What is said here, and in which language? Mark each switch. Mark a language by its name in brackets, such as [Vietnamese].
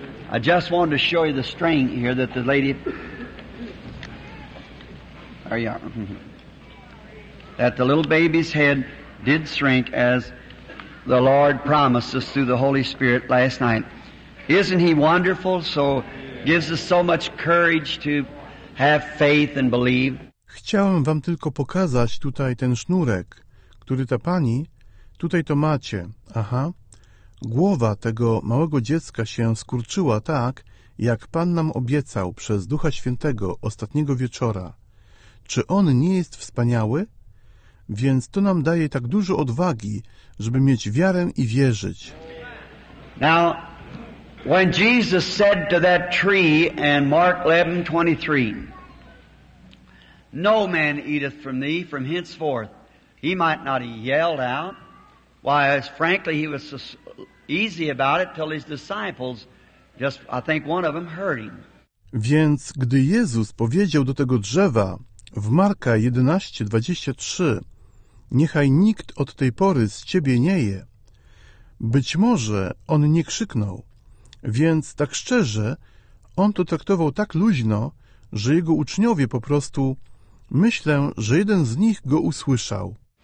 [English] I just wanted to show you the string here that the lady that the little baby's head did shrink as the Lord promised us through the Holy Spirit last night. Isn't he wonderful? So gives us so much courage to have faith and believe. [Polish] Chciałem wam tylko pokazać tutaj ten sznurek, który ta pani, tutaj to macie, aha, głowa tego małego dziecka się skurczyła tak, jak Pan nam obiecał przez Ducha Świętego ostatniego wieczora. Czy on nie jest wspaniały? Więc to nam daje tak dużo odwagi, żeby mieć wiarę i wierzyć. [English] Now, when Jesus said to that tree in Mark 11:23, no man eateth from thee from henceforth. He might not have yelled out. Why, as frankly, he was so easy about it till his disciples, just I think one of them heard him. [Polish] Więc gdy Jezus powiedział do tego drzewa w Marka 11:23, niechaj nikt od tej pory z ciebie nie je, być może on nie krzyknął. Więc tak szczerze, on to traktował tak luźno, że jego uczniowie po prostu, myślę, że jeden z nich go usłyszał.